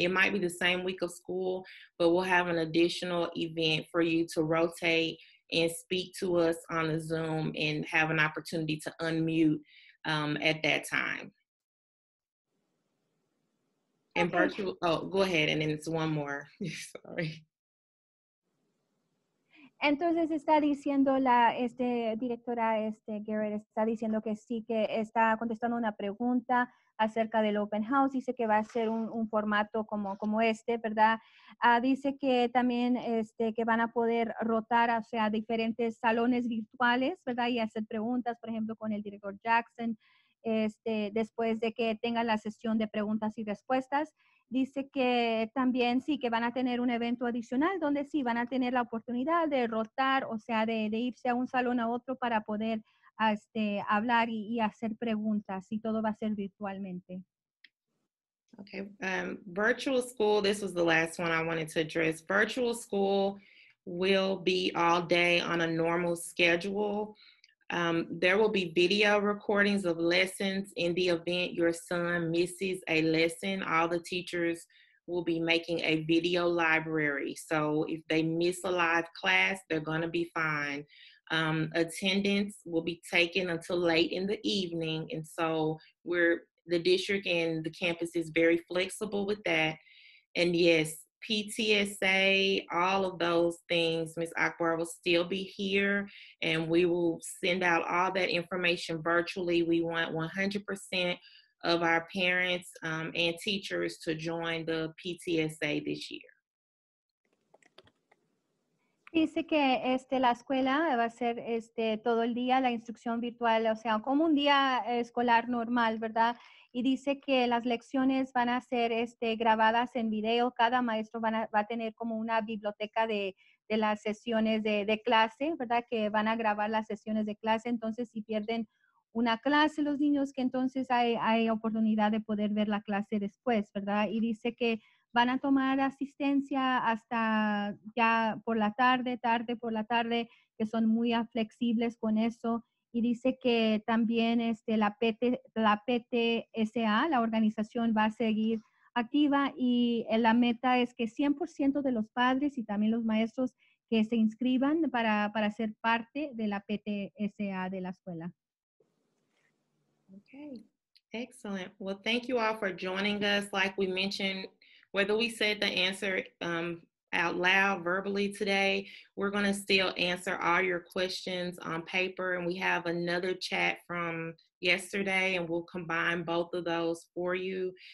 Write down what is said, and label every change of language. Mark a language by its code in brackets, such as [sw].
[en] It might be the same week of school, but we'll have an additional event for you to rotate and speak to us on the Zoom and have an opportunity to unmute at that time. And okay. Go ahead, and then it's one more, sorry. [es] Entonces está diciendo la directora Garrett, está diciendo que sí, que está contestando una pregunta acerca del open house. Dice que va a ser un formato como ¿verdad? Dice que también que van a poder rotar hacia diferentes salones virtuales, ¿verdad? Y hacer preguntas, por ejemplo, con el director Jackson, después de que tengan la sesión de preguntas y respuestas. Dice que también sí, que van a tener un evento adicional donde sí van a tener la oportunidad de rotar, o sea, de irse a un salón a otro para poder hablar y hacer preguntas, y todo va a ser virtualmente. [en] Okay, virtual school, this was the last one I wanted to address. Virtual school will be all day on a normal schedule. There will be video recordings of lessons in the event your son misses a lesson. All the teachers will be making a video library. So if they miss a live class, they're going to be fine. Attendance will be taken until late in the evening. And so the district and the campus is very flexible with that. And yes, PTSA, all of those things, Ms. Akbar will still be here, and we will send out all that information virtually. We want 100% of our parents and teachers to join the PTSA this year. [es] Dice que la escuela va a ser todo el día la instrucción virtual, o sea, como un día escolar normal, ¿verdad? Y dice que las lecciones van a ser grabadas en video. Cada maestro va a tener como una biblioteca de las sesiones de clase, ¿verdad? Que van a grabar las sesiones de clase. Entonces, si pierden una clase los niños, que entonces hay oportunidad de poder ver la clase después, ¿verdad? Y dice que van a tomar asistencia hasta ya por la tarde, que son muy flexibles con eso. Y dice que también la PTSA, la organización, va a seguir activa, y la meta es que 100% de los padres y también los maestros que se inscriban para ser parte de la PTSA de la escuela. [en] Okay, excellent. Well, thank you all for joining us. Like we mentioned, whether we said the answer out loud verbally today, we're going to still answer all your questions on paper. And we have another chat from yesterday, and we'll combine both of those for you.